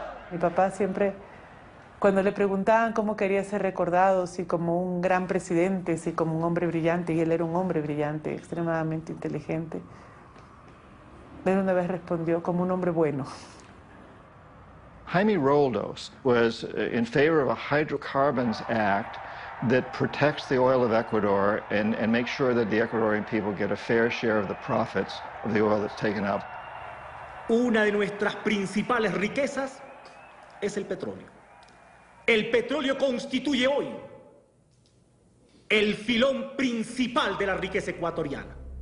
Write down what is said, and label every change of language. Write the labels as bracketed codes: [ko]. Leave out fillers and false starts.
[es] Mi papá siempre, cuando le preguntaban cómo quería ser recordado, si como un gran presidente, si como un hombre brillante, y él era un hombre brillante, extremadamente inteligente, él una vez respondió, como un hombre bueno. [en] Jaime Roldos was in favor of a hydrocarbons act that protects the oil of Ecuador and makes sure that the Ecuadorian people get a fair share of the profits of the oil that's taken up. [es] Una de nuestras principales riquezas es el petróleo. El petróleo constituye hoy el filón principal de la riqueza ecuatoriana.